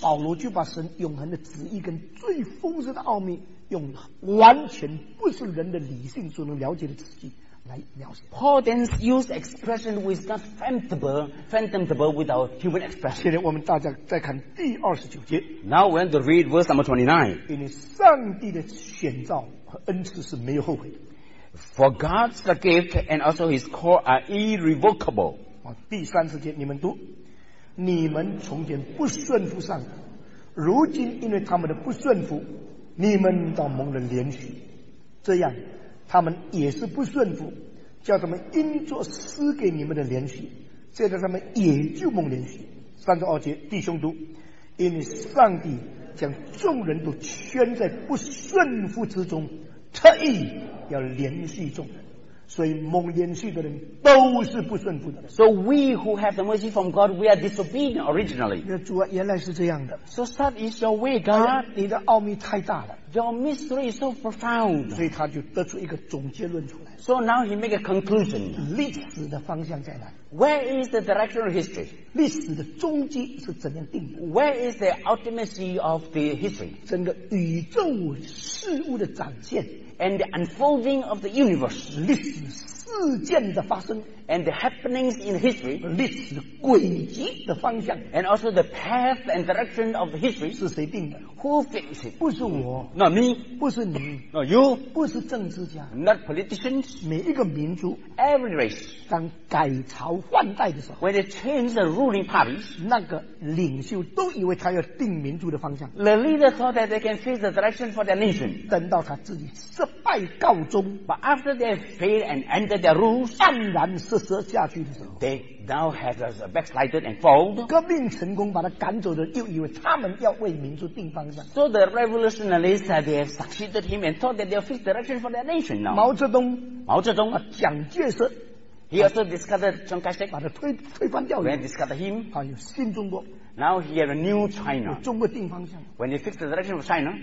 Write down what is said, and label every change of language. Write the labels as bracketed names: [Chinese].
[Chinese] 保罗就把神永恒的旨意跟最丰盛的奥秘用完全不是人的理性所能了解的词句来描写 [English] Paul then used expression which is not fathomable without human expression [Chinese] 现在我们大家再看第二十九节 [English] Now we're going to read verse number 29 [Chinese] 因为上帝的选召和恩赐是没有后悔的 [English] For God's gift and also his call are irrevocable [Chinese] 第三十节你们读你们从前不顺服上帝如今因为他们的不顺服你们倒蒙了怜恤这样他们也是不顺服叫他们因着施给你们的怜恤这样他们也就蒙怜恤三十二节，弟兄读，因为上帝将众人都圈在不顺服之中，特意要联系众人，所以蒙连续的人都是不顺服的。 [English] So we who have the mercy from God, we are disobedient originally. [Chinese] 主啊，原来是这样的。 [English] So such is your way, God. [Chinese] 你的奥秘太大了。 [English] Your mystery is so profound. [Chinese] 所以他就得出一个总结论出来。 [English] So now he make a conclusion. [Chinese] 历史的方向在哪？ [English] Where is the direction of history? [Chinese] 历史的终极是怎样定的？ [English] Where is the ultimacy of the history? [Chinese] 整个宇宙事物的展现。 [English] And the unfolding of the universe. [Chinese] 历史事件的发生。 [English] And the happenings in history. [Chinese] 历史的轨迹的方向。 [English] And also the path and direction of the history. [Chinese] 是谁定的？ [English] Who fixed it? [Chinese] 不是我。 [English] Not me. [Chinese] 不是你。 [English] Not you. [Chinese] 不是政治家。 [English] Not politicians. [Chinese] 每一个民族。 [English] Every race. [Chinese] 当改朝换代的时候。 [English] When they change the ruling parties. [Chinese] 那个领袖都以为他要定民族的方向。 [English] The leader thought that they can fix the direction for their nation. [Chinese] 等到他自己失败告终。 [English] But after they failed and ended their rules. [Chinese] 黯然失色下去的时候。 [English] They now have a backslided and fold. [Chinese] 革命成功把他赶走的又以为他们要为民族定方向。 [English] So the revolutionaries, they have succeeded him and thought that they have fixed direction for their nation now. [Chinese] 毛泽东啊，蒋介石。 [English] He also discovered Chiang Kai-shek. [Chinese] 把他推翻掉。 [English] When he discovered him. [Chinese] 他有新中国。 [English] Now he had a new China. [Chinese] 有中国定方向。 [English] When he fixed the direction of China.